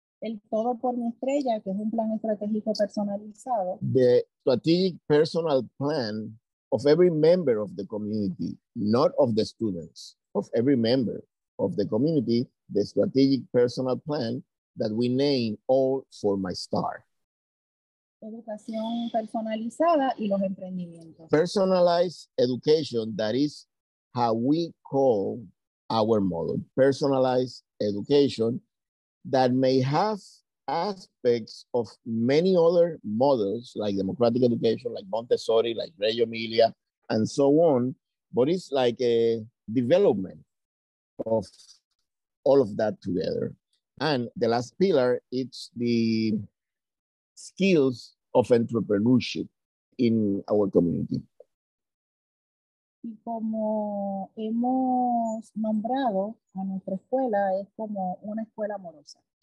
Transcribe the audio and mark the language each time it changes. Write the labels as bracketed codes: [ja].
[es] El Todo por Mi Estrella, que es un plan estratégico personalizado. [en] The strategic personal plan of every member of the community, not of the students, of every member of the community, the strategic personal plan that we name All for My Star. [es] Educación personalizada y los emprendimientos. [en] Personalized education, that is how we call our model. Personalized education that may have aspects of many other models like democratic education, like Montessori, like Reggio Emilia, and so on, but it's like a development of all of that together. And the last pillar, it's the skills of entrepreneurship in our community. [es] Y como hemos nombrado a nuestra escuela, es como una escuela amorosa.